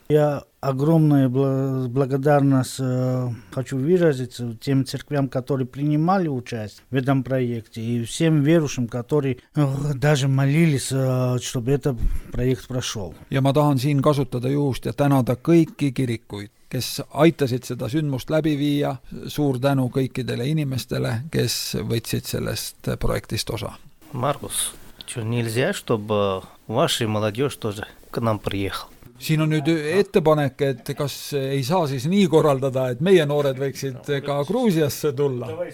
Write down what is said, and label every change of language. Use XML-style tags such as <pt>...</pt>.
<ru>Ja огромная благодарность хочу выразить тем церквям, которые принимали участие в этом проекте, и всем верующим, которые даже молились, чтобы этот проект прошел.</ru> <et>Ja ma tahan siin kasutada juhust ja tänada kõiki kirikuid, kes aitasid seda sündmust läbi viia. Suur tänu kõikidele inimestele, kes võtsid sellest projektist osa.</et> <ru>Margus, чё нельзя, чтобы ваша молодежь тоже к нам приехала?</ru> <et>Siin on nüüd ettepanek, et kas ei saa siis nii korraldada, et meie noored võiksid ka Gruusiasse tulla.</et>